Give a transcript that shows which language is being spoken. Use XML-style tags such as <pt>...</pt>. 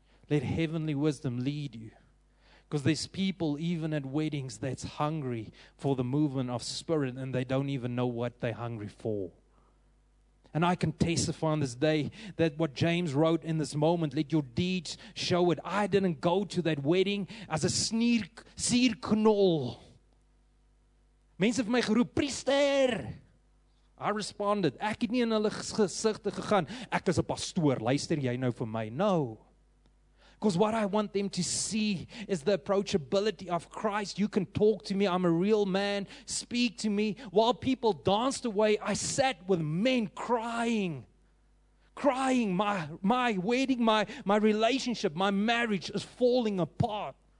<en>Let heavenly wisdom lead you. Because there's people, even at weddings, that's hungry for the movement of Spirit, and they don't even know what they're hungry for. And I can testify on this day that what James wrote in this moment, let your deeds show it. I didn't go to that wedding as a</en> <af>sierknol. Mense het my geroep, priester.</af> <en>I responded,</en> <af>ek het nie in hulle gesigte gegaan. Ek is 'n pastoor, luister jy nou vir my?</af> <en>No. Because what I want them to see is the approachability of Christ. You can talk to me, I'm a real man. Speak to me. While people danced away, I sat with men crying. Crying, my wedding, my relationship, my marriage is falling apart.</en>